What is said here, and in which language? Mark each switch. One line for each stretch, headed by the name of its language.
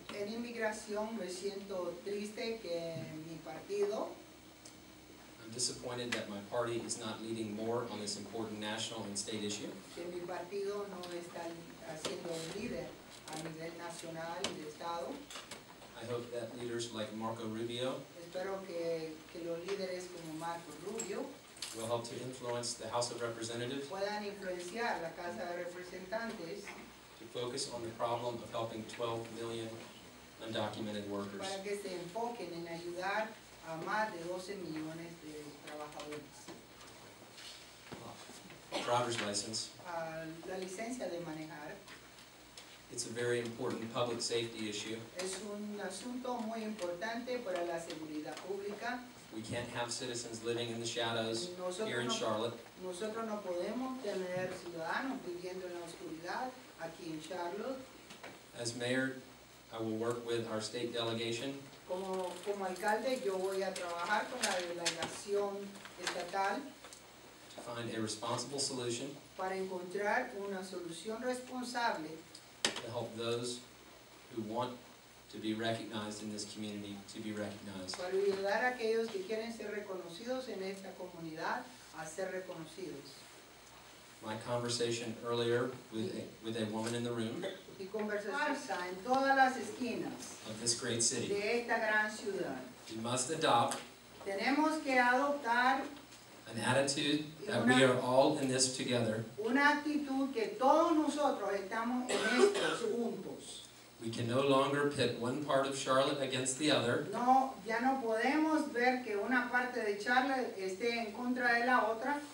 Spanish: En inmigración me siento triste que mi partido.
English: I'm disappointed that my party is not leading more on this important national and state issue.
Spanish: Que mi partido no está haciendo líder a nivel nacional y de estado.
English: I hope that leaders like Marco Rubio.
Spanish: Espero que los líderes como Marco Rubio.
English: Will help to influence the House of Representatives
Spanish: puedan influenciar la Casa de Representantes
English: to focus on the problem of helping 12 million undocumented workers.
Spanish: Para que se enfoquen en ayudar a más de 12 millones de trabajadores.
English: Driver's license.
Spanish: La licencia de manejar.
English: It's a very important public safety issue.
Spanish: Es un asunto muy importante para la seguridad pública.
English: We can't have citizens living in the shadows here in Charlotte.
Spanish: Nosotros no podemos tener ciudadanos viviendo en la oscuridad aquí en Charlotte.
English: As mayor, I will work with our state delegation.
Spanish: Como alcalde, yo voy a trabajar con la delegación estatal.
English: To find a responsible solution.
Spanish: Para encontrar una solución responsable.
English: To help those who want to be recognized in this community, to be recognized.
Spanish: Para ayudar a aquellos que quieren ser reconocidos en esta comunidad, a ser reconocidos.
English: my conversation earlier with a woman in the room.
Spanish: Mi conversación en todas las esquinas.
English: Of this great city.
Spanish: De esta gran ciudad.
English: We must adopt.
Spanish: Tenemos que adoptar.
English: An attitude that we are all in this together.
Spanish: Una actitud que todos nosotros estamos en esto juntos.
English: We can no longer pit one part of Charlotte against the other.
Spanish: No, ya no podemos ver que una parte de Charlotte esté en contra de la otra.